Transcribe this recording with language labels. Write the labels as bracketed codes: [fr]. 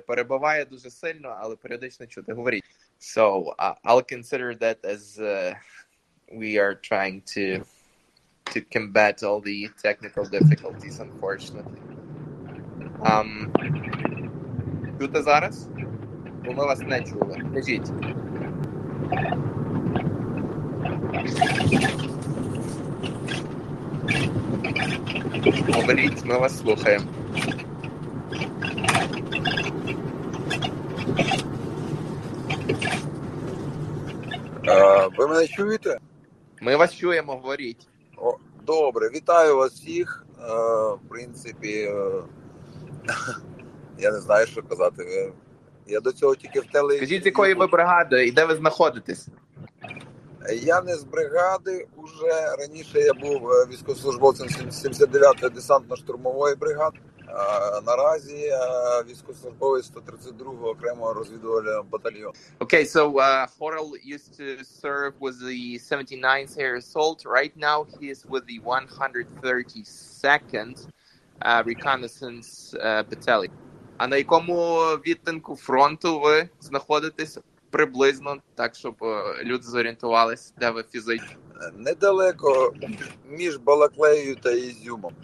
[uk] Перебуває дуже сильно, але періодично чути. Говоріть. [en] So, I'll consider that as we are trying to combat all the technical difficulties, unfortunately. [uk] Чути зараз? Бо ми вас не чули. Кажіть. Говоріть, ми вас слухаємо. Ви мене чуєте? Ми вас чуємо, говоріть. Добре, вітаю вас всіх. В принципі, я не знаю, що казати. Я до цього тільки в телевізорі. Скажіть, якої ви бригади і де ви знаходитесь? Я не з бригади. Уже раніше я був військовослужбовцем 79-ї десантно-штурмової бригади. Наразі військовослужбовець 132-го окремого розвідувального батальйону. [en] Okay, so Horol used to serve with the 79th Air Assault. Right now he is with the 132nd Reconnaissance Battalion. [uk] А на якому відтинку фронту ви знаходитесь приблизно, так щоб люди зорієнтувались, де ви фізично? Недалеко між Балаклеєю та Ізюмом.